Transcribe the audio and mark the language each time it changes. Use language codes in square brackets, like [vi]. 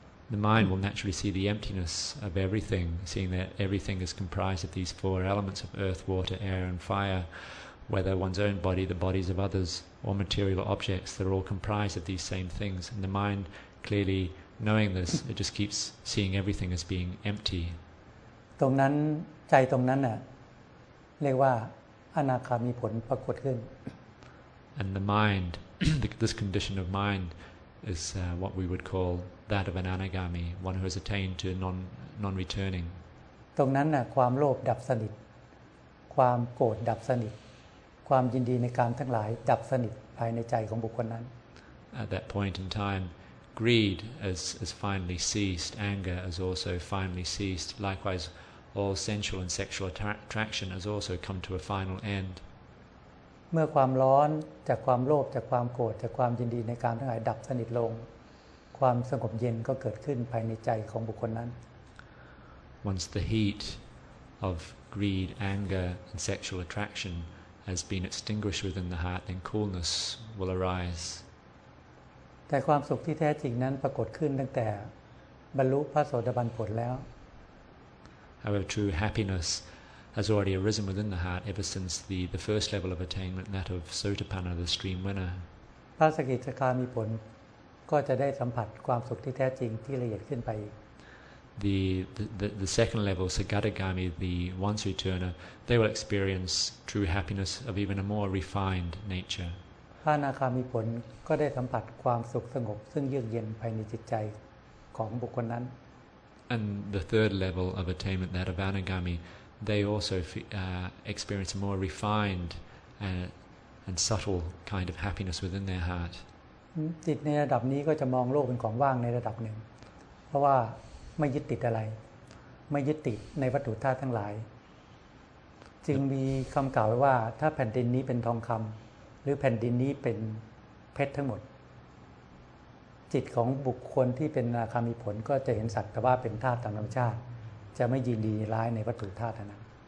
[en] The mind will naturally see the emptiness of everything seeing that everything is comprised of these four elements of earth water air and fireWhether one's own body, the bodies of others, or material objects, they're all comprised of these same things. And the mind, clearly knowing this, it just keeps seeing everything as being empty. [th] ตรงนั้นใจตรงนั้นน่ะเรียกว่าอนาคามีผลปรากฏขึ้น [en] And the mind, this condition of mind, is what we would call that of an anagami, one who has attained to non-returning. [th] ตรงนั้นน่ะความโลภดับสนิทความโกรธดับสนิทความยินดีในการทั้งหลายดับสนิทภายในใจของบุคคลนั้น [en] At that point in time greed has finally ceased anger has also finally ceased likewise all sensual and sexual attraction has also come to a final end [th] เมื่อความร้อนจากความโลภจากความโกรธจากความยินดีในการทั้งหลายดับสนิทลงความสงบเย็นก็เกิดขึ้นภายในใจของบุคคลนั้น [en] Once the heat of greed anger and sexual attractionHas been extinguished within the heart, then coolness will arise. [th] แต่ความสุขที่แท้จริงนั้นปรากฏขึ้นตั้งแต่บรรลุพระโสดาบันผลแล้ว [en] However, true happiness has already arisen within the heart ever since the first level of attainment, that of Sotapanna, the stream winner. [th] พระสกิทาคามีผลก็จะได้สัมผัสความสุขที่แท้จริงที่ละเอียดขึ้นไป [en] The second level, Sagatagami, the once returner, they will experience true happiness of even a more refined nature. [th] พระอนาคามีผลก็ได้สัมผัสความสุขสงบซึ่งเยือกเย็นภายในจิตใจของบุคคลนั้น [en] And the third level of attainment, that of Anagami, they also experience a more refined and subtle kind of happiness within their heart. [th] จิตในระดับนี้ก็จะมองโลกเป็นของว่างในระดับหนึ่งเพราะว่าไม่ยึดติดอะไรไม่ยึดติดในวัตถุธาตุทั้งหลายจึงมีคำกล่าวไว้ว่าถ้าแผ่นดินนี้เป็นทองคำหรือแผ่นดินนี้เป็น พชรทั้งหมดจิตของบุคคลที่เป็นอนาคามีผลก็จะเห็นสักแต่ว่าเป็นธาตุตามธรรมชาติจะไม่ยินดีร้ายในวัตถุธาตุนั้น